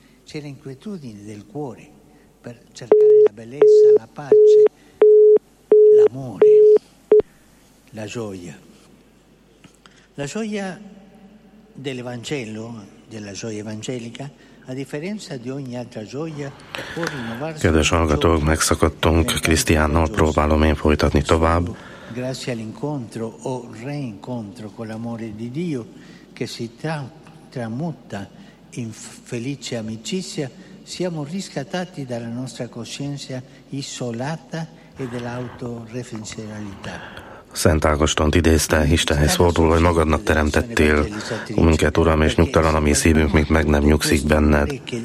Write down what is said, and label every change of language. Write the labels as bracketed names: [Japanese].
[Italian] C'è l'inquietudine del cuore per cercare la bellezza, la pace, l'amore, la gioia. La gioia dell'Evangelo, della gioia evangelica, a differenza di ogni altra gioia, può rinnovarsi. [Hungarian] Kedves hallgatók, megszakadtunk Krisztiánnal, próbálom én folytatni tovább. [Italian] Grazie all'incontro o reincontro con l'amore di Dio che si tramuta in felice amicizia, siamo riscattati dalla nostra coscienza isolata e dell'autoreferenzialità. [Hungarian] Szent Ágostont idézte, Istenhez fordul, hogy magadnak teremtettél minket, Uram, és nyugtalan a mi szívünk, míg meg nem nyugszik benned.